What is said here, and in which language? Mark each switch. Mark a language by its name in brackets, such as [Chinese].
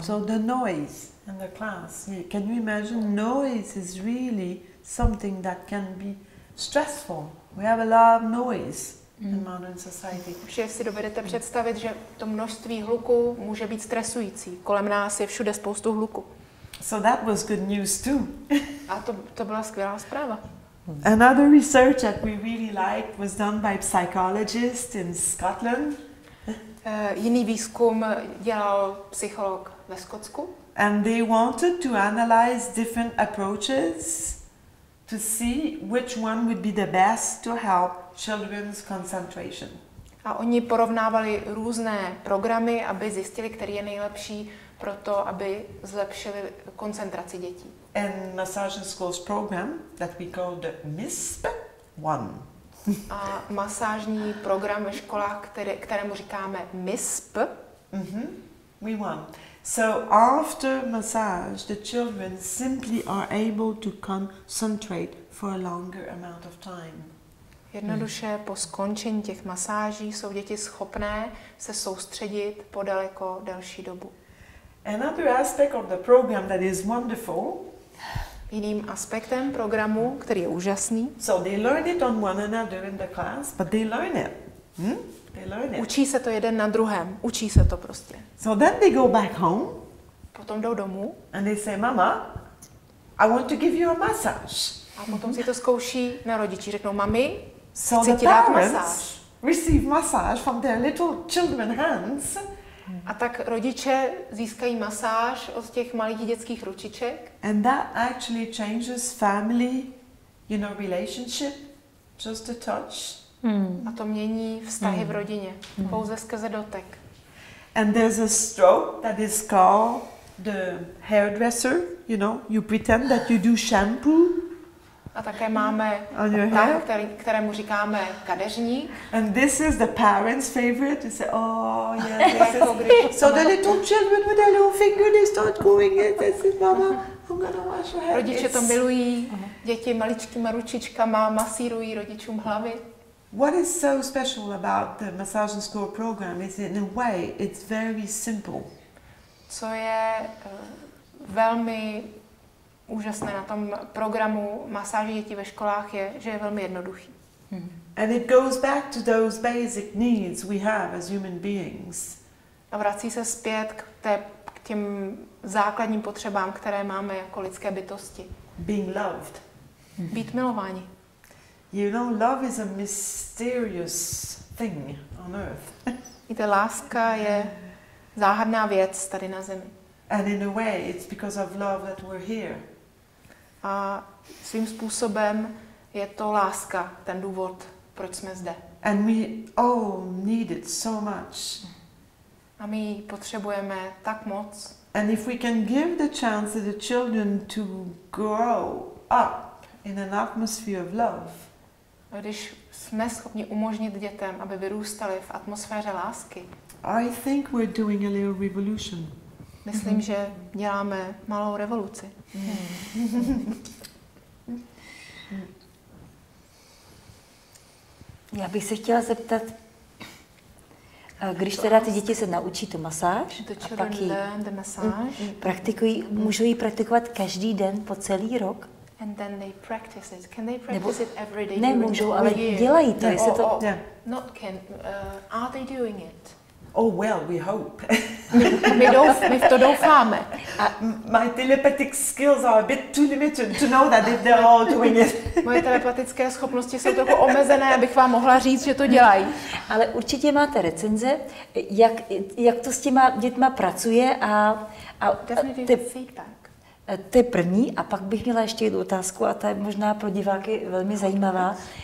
[English] So the noise in the class. Can you imagine? Noise is really something that can be stressful. We have a lot of noise. In modern society. [Czech] Že si dovedete představit, že to množství hluku může být stresující. Kolem nás je všude spoustu hluku. [English] So that was good news too. [Czech] A to byla skvělá zpráva. [English] Another research that we really liked was done by psychologists in Scotland. [Czech] Jiný výzkum dělal psycholog ve Skotsku. [English] And they wanted to analyze different approaches to see which one would be the best to help children's concentration. [Czech] A oni porovnávali různé programy, aby zjistili, který je nejlepší pro to, aby zlepšili koncentraci dětí. [English] And massage in schools program that we called the MISP one. [Czech] A masážní program ve školách, kterému říkáme MISP. [English] Mm-hmm. We won. So after massage, the children simply are able to concentrate for a longer amount of time. [Czech] Jednoduše po skončení těch masáží jsou děti schopné se soustředit po daleko delší dobu. [English] Another aspect of the program that is wonderful. [Czech] Jiným aspektem programu, který je úžasný. [English] So they learn it on one another in the class, but they learn it. [Czech] Učí se to jeden na druhém. Učí se to prostě. [English] So then they go back home. [Czech] Potom jdou domů. [English] And they say, mama, I want to give you a massage. [Czech] A potom si to zkouší na rodiči. Řeknou, mami, so chci ti dát masáž. [English] Receive massage from their little children hands. [Czech] A tak rodiče získají masáž od těch malých dětských ručiček. [English] And that actually changes family, you know, relationship. Just a touch. Hmm. [Czech] A to mění vztahy v rodině, pouze skrze dotek. [English] And there's a stroke that is called the hairdresser, you know, you pretend that you do shampoo. [Czech] A také máme tak, kterému říkáme kadeřník. [English] And this is the parents' favorite, you say, oh, yeah, this is... So the little children with their little finger, they start going it, they say, mama, I'm gonna wash your hair. [Czech] Rodiče to milují, děti maličkýma ručičkama masírují rodičům hlavy. [English] What is so special about the massage and school program is in a way it's very simple. [Czech] Co je velmi úžasné na tom programu masáže dětí ve školách je, že je velmi jednoduchý. [English] And it goes back to those basic needs we have as human beings. [Czech] A vrací se zpět k těm základním potřebám, které máme jako lidské bytosti. [English] Being loved. [Czech] Být milováni. [English] You know, love is a mysterious thing on earth. [Czech] Víte, láska je záhadná věc tady na zemi. [English] And in a way, it's because of love that we're here. [Czech] A svým způsobem je to láska, ten důvod, proč jsme zde. [English] And we all need it so much. [Czech] A my ji potřebujeme tak moc. [English] And if we can give the chance to the children to grow up in an atmosphere of love. [Czech] A když jsme schopni umožnit dětem, aby vyrůstali v atmosféře lásky. [English] I think we're doing a little revolution. [Czech] Myslím, že děláme malou revoluci. Já bych se chtěla zeptat, když teda ty děti se naučí tu masáž, a pak ji praktikují, můžou ji praktikovat každý den po celý rok? [English] And then they practice it. Can they practice it every day? [Czech] Nemůžou, ale dělají to. [English] Yeah. Not can. Are they doing it? Oh well, we hope. [Czech] My v to doufáme. [English] My telepathic skills are a bit too limited to know that if they're all doing it. [Czech] Moje telepatické schopnosti jsou trochu omezené, abych vám mohla říct, že to dělají. Ale určitě máte recenze, jak to s těma dětma pracuje a [English] definitely feedback. [Czech] To je první a pak bych měla ještě jednu otázku a ta je možná pro diváky velmi zajímavá.